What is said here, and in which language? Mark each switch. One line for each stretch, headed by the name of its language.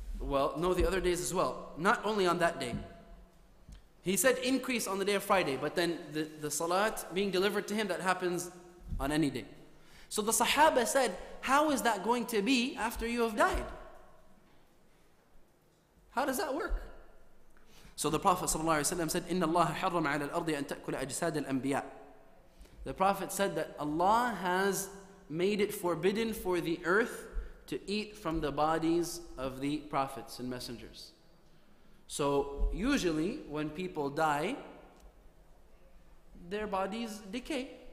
English: Well, no, the other days as well. Not only on that day. He said increase on the day of Friday, but then the salat being delivered to him, that happens on any day. So the Sahaba said, how is that going to be after you have died? How does that work? So the Prophet ﷺ said,
Arabic: إِنَّ اللَّهَ حَرَّمَ عَلَى الْأَرْضِ أَن تَأْكُلَ أَجْسَادَ الْأَنْبِيَاءِ.
English: The Prophet said that Allah has made it forbidden for the earth to eat from the bodies of the prophets and messengers. So usually when people die, their bodies decay.